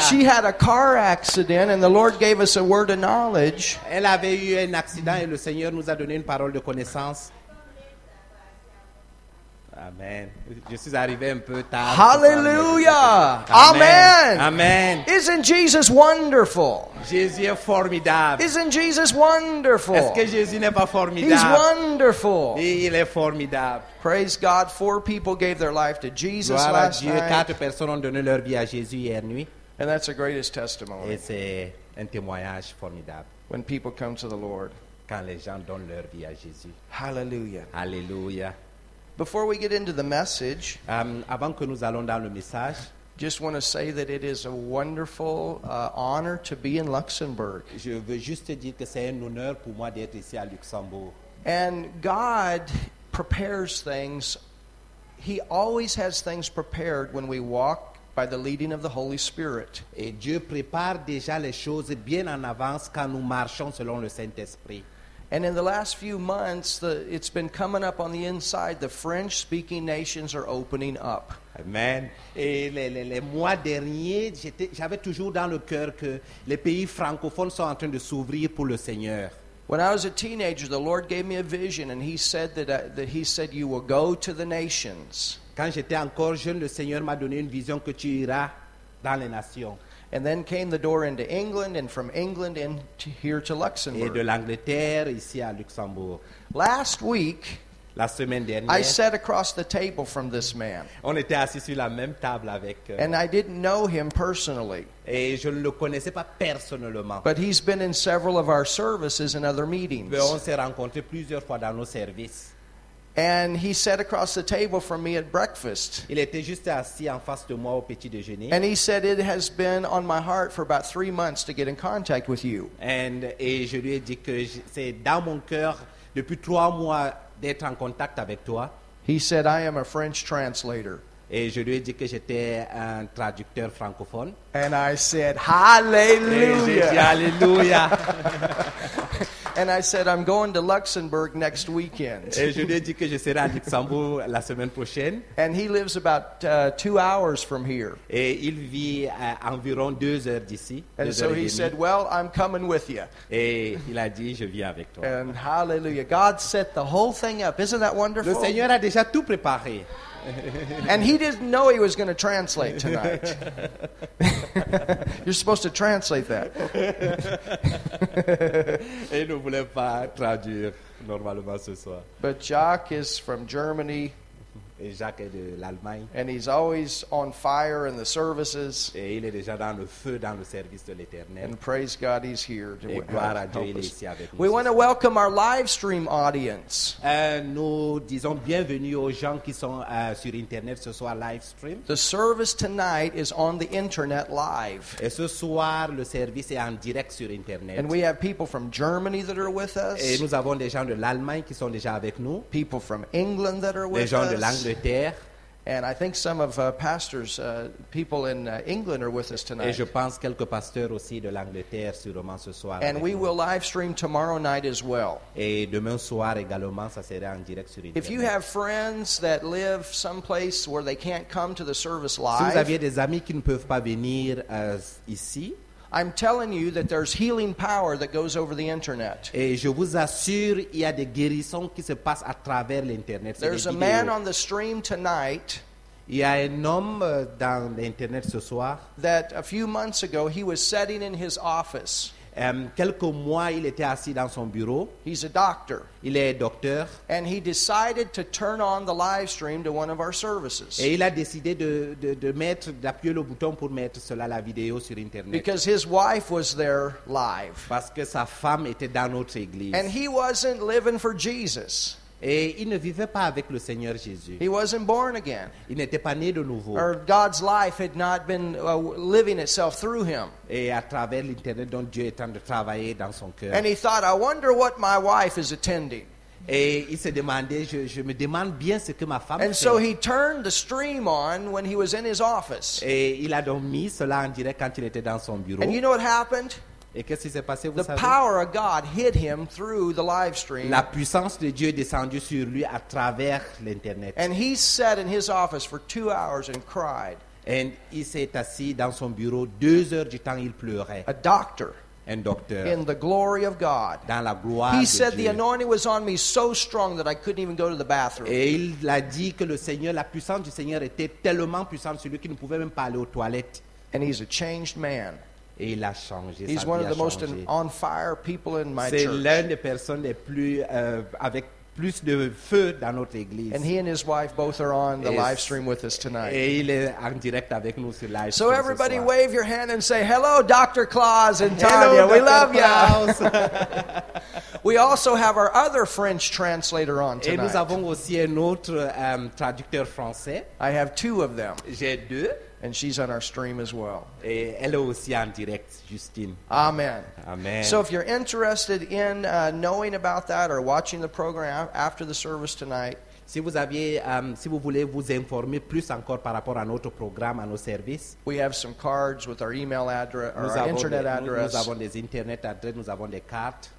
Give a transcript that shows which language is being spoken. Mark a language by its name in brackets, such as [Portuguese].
[English] She had a car accident and the Lord gave us a word of knowledge. [French] Elle avait eu un accident et le Seigneur nous a donné une parole de connaissance. Amen. Je suis arrivé un peu tard. Hallelujah. Amen. Amen. [English] Isn't Jesus wonderful? [French] Jésus est formidable. [English] Isn't Jesus wonderful? [French] Est-ce que Jésus n'est pas formidable? [English] He's wonderful. [French] Il est formidable. [English] Praise God. Four people gave their life to Jesus [French] Gloire [English] last [French] Dieu, [English] night. [French] Quatre personnes ont donné leur vie à Jésus hier nuit. [English] And that's the greatest testimony. [French] Et c'est un témoignage formidable. [English] When people come to the Lord. [French] Quand les gens donnent leur vie à Jésus. Hallelujah. Hallelujah. [English] Before we get into the message, [French] avant que nous allons dans le message, [English] just want to say that it is a wonderful honor to be in Luxembourg. [French] Je veux juste dire que c'est un honneur pour moi d'être ici à Luxembourg. [English] And God prepares things. He always has things prepared when we walk by the leading of the Holy Spirit. [French] Et Dieu prépare déjà les choses bien en avance quand nous marchons selon le Saint-Esprit. [English] And in the last few months, it's been coming up on the inside. The French-speaking nations are opening up. Amen. [French] Et les mois derniers, j'avais toujours dans le cœur que les pays francophones sont en train de s'ouvrir pour le Seigneur. [English] When I was a teenager, the Lord gave me a vision, and He said that He said you will go to the nations. [French] Quand j'étais encore jeune, le Seigneur m'a donné une vision que tu iras dans les nations. [English] And then came the door into England, and from England into here to Luxembourg. [French] Et de l'Angleterre ici à Luxembourg. [English] Last week, [French] la semaine dernière, [English] I sat across the table from this man. [French] On était assis sur la même table avec. [English] And I didn't know him personally. [French] Et je ne le connaissais pas personnellement. [English] But he's been in several of our services and other meetings. [French] Mais on s'est rencontré plusieurs fois dans nos services. [English] And he sat across the table from me at breakfast. [French] Il était juste assis en face de moi au petit déjeuner. [English] And he said it has been on my heart for about 3 months to get in contact with you. [French] Et je lui ai dit que c'est dans mon cœur depuis 3 mois d'être en contact avec toi. [English] He said I am a French translator. [French] Et je lui ai dit que j'étais un traducteur francophone. [English] And I said, Hallelujah. [French] Et j'ai dit, Hallelujah. [English] And I said, I'm going to Luxembourg next weekend. [French] Et je lui ai dit que je serai à Luxembourg la semaine prochaine. [English] And he lives about 2 hours from here. [French] Et il vit à environ 2 heures d'ici. [English] And so he said, well, I'm coming with you. [French] Et il a dit, je viens avec toi. [English] And hallelujah. God set the whole thing up. Isn't that wonderful? [French] Le Seigneur a déjà tout préparé. [English] And he didn't know he was going to translate tonight. You're supposed to translate that. [French] Il ne voulait pas traduire normalement ce soir. [English] But Jacques is from Germany. [French] Et Jacques est de l'Allemagne. [English] And he's always on fire in the services. [French] Et il est déjà dans le feu dans le service de l'Éternel. [English] And praise God, he's here to [French] Et gloire à Dieu, il est ici avec nous. [English] We want to welcome our live stream audience. [French] Nous disons bienvenue aux gens qui sont sur Internet ce soir live stream. [English] The service tonight is on the Internet live. [French] Et ce soir le service est en direct sur Internet. [English] And we have people from Germany that are with us. [French] Et nous avons des gens de l'Allemagne qui sont déjà avec nous. [English] People from England that are with [French] gens [English] us. [French] De [English] And I think some of pastors, people in England are with us tonight. [French] Et je pense quelques pasteurs aussi de l'Angleterre sûrement ce soir. [English] And we will live stream tomorrow night as well. [French] Et demain soir également, ça sera en direct sur Internet. [English] If you have friends that live someplace where they can't come to the service live, [French] si vous aviez des amis qui ne peuvent pas venir ici, [English] I'm telling you that there's healing power that goes over the internet. [French] Et je vous assure, il y a des guérisons qui se passent à travers l'internet. [English] There's a man on the stream tonight. [French] Il y a un homme dans l'internet ce soir. [English] That a few months ago he was sitting in his office. [French] Quelques mois, il était assis dans son bureau. [English] He's a doctor. [French] Il est docteur. [English] And he decided to turn on the live stream to one of our services. [French] Et il a décidé d'appuyer le bouton pour mettre cela la vidéo sur Internet. [English] Because his wife was there live. [French] Parce que sa femme était dans notre église. [English] And he wasn't living for Jesus. [French] Et il ne vivait pas avec le Seigneur Jésus. [English] He wasn't born again. [French] Il n'était pas né de nouveau. [English] Or God's life had not been living itself through him. [French] Et à travers l'internet dont Dieu est en train de travailler dans son cœur. [English] And he thought, I wonder what my wife is attending. [French] Et il s'est demandé, je me demande bien ce que ma femme [English] And [French] fait. [English] So he turned the stream on when he was in his office. [French] Et il a donc mis cela en direct quand il était dans son bureau. [English] And you know what happened? [French] Et qu'est-ce qui s'est passé, vous [English] the [French] savez? [English] Power of God hit him through the live stream. [French] La puissance de Dieu est descendue sur lui à travers l'internet. [English] And he sat in his office for 2 hours and cried. [French] Et il s'est assis dans son bureau 2 heures du temps, il pleurait. [English] A doctor. [French] Un docteur. [English] In the glory of God. [French] Dans la gloire [English] he [French] de [English] said, [French] Dieu. [English] The anointing was on me so strong that I couldn't even go to the bathroom. [French] Et il a dit que le Seigneur, la puissance du Seigneur était tellement puissante sur lui qu'il ne pouvait même pas aller aux toilettes. [English] And he's a changed man. [French] Et il a changé, [English] He's one of the most on fire people in my [French] C'est [English] church. [French] C'est l'un des personnes les plus avec plus de feu dans notre église. [English] And he and his wife both are on the live stream with us tonight. [French] Et il est en direct avec nous sur live [English] stream. So everybody, wave your hand and say hello, Dr. Claus and Tanya. We love you. We also have our other French translator on tonight. [French] Et nous avons aussi un autre traducteur français. [English] I have two of them. [French] J'ai deux. [English] And she's on our stream as well. [French] Et elle est aussi en direct, Justine. Amen. Amen. [English] So if you're interested in knowing about that or watching the program after the service tonight, [French] si vous voulez vous informer plus encore par rapport à notre programme, à nos services, [English] we have some cards with our email address, or our internet address. [French] Nous avons des internet adresses, nous avons des cartes.